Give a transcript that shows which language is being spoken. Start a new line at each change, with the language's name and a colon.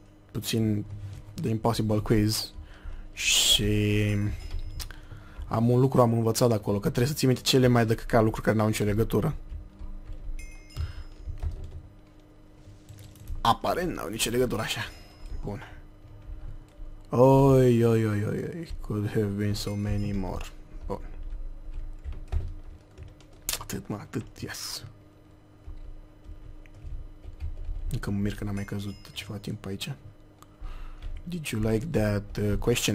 Romanian: Puțin The Impossible Quiz. Și... Am învățat de acolo, că trebuie să ții minte cele mai de căcat lucruri care n-au nicio legătură. Aparent n-au nicio legătură așa. Bun. Oi.
English: Could have been so many more.
Romanian: Bun. Atât, mă, atât, yes. Încă mă mir că n-am mai căzut ceva timp aici.
English: Did you like that question?